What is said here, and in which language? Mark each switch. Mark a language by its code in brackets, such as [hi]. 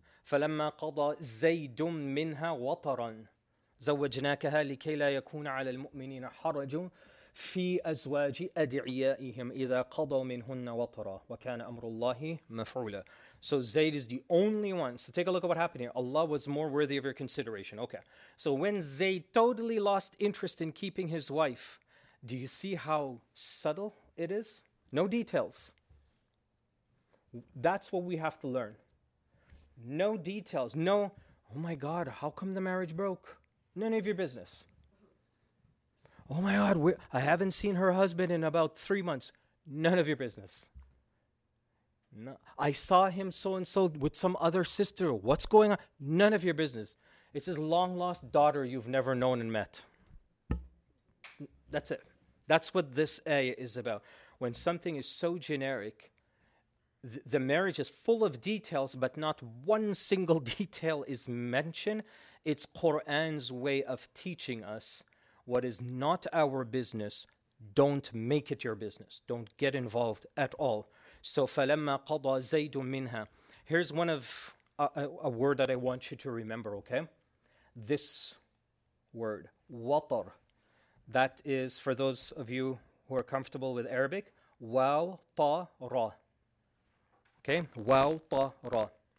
[ar] فَلَمَّا قَضَى زَيْدٌ مِّنْهَا وَطَرًا زَوَّجْنَاكَهَا لِكَيْ لَا يَكُونَ عَلَى الْمُؤْمِنِينَ حَرَجٌ في أزواج أدعيائهم إذا قضوا منهن وطرا وكان أمر الله مفعولا. [en] So Zayd is the only one. So take a look at what happened here. Allah was more worthy of your consideration. Okay. So when Zayd totally lost interest in keeping his wife, do you see how subtle it is? No details. That's what we have to learn. No details. No, oh my God, how come the marriage broke? None of your business. Oh my God, I haven't seen her husband in about 3 months. None of your business. No. I saw him so-and-so with some other sister. What's going on? None of your business. It's his long-lost daughter you've never known and met. That's it. That's what this ayah is about. When something is so generic, the marriage is full of details, but not one single detail is mentioned. It's Quran's way of teaching us what is not our business, don't make it your business. Don't get involved at all. [ar] So, فَلَمَّا قَضَى زَيْدٌ مِّنْهَا. [en] Here's one of a word that I want you to remember, okay? This word, وَطَر. That is, for those of you who are comfortable with Arabic, وَوْطَرَ. Okay? وَوْطَرَ.